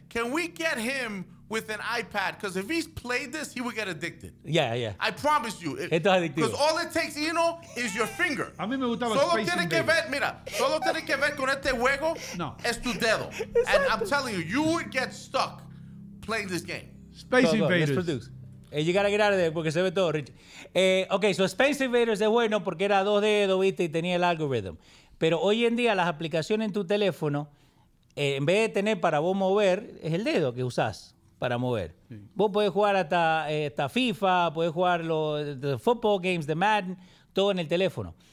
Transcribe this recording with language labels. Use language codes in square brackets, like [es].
[en] Can we get him with an iPad, because if he's played this, he would get addicted. Yeah, yeah. I promise you. [es] Esto es adictivo. [en] Because all it takes, you know, is your finger. [es] A mí me gustaba solo Space tiene que ver, mira, solo tiene que ver con este juego, no, es tu dedo. Exacto. [en] And I'm telling you, you would get stuck playing this game. Space Invaders. Let's produce. You gotta get out of there, [es] porque se ve todo, [en] Rich. Okay, so [es] Space Invaders es bueno porque era dos dedos, viste, y tenía el algorithm. Pero hoy en día las aplicaciones en tu teléfono, en vez de tener para vos mover, es el dedo que usás para mover. Sí. Vos podés jugar hasta FIFA, podés jugar los [en] football games, [es] the Madden, todo en el teléfono.